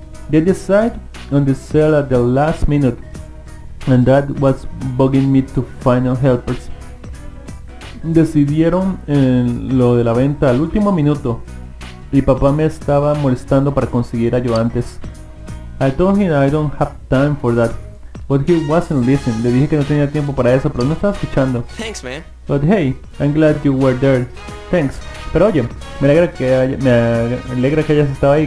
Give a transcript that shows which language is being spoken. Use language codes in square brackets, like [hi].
[en] They decide on the sale at the last minute. And that was bugging me to find out helpers. [es] Decidieron en lo de la venta al último minuto. Y papá me estaba molestando para conseguir ayudantes. [en] I told him I don't have time for that. But he wasn't listening. [es] Le dije que no tenía tiempo para eso, pero no estaba escuchando. [en] Thanks, man. But hey, I'm glad you were there. Thanks. [es] Pero oye, me alegra que hayas estado ahí.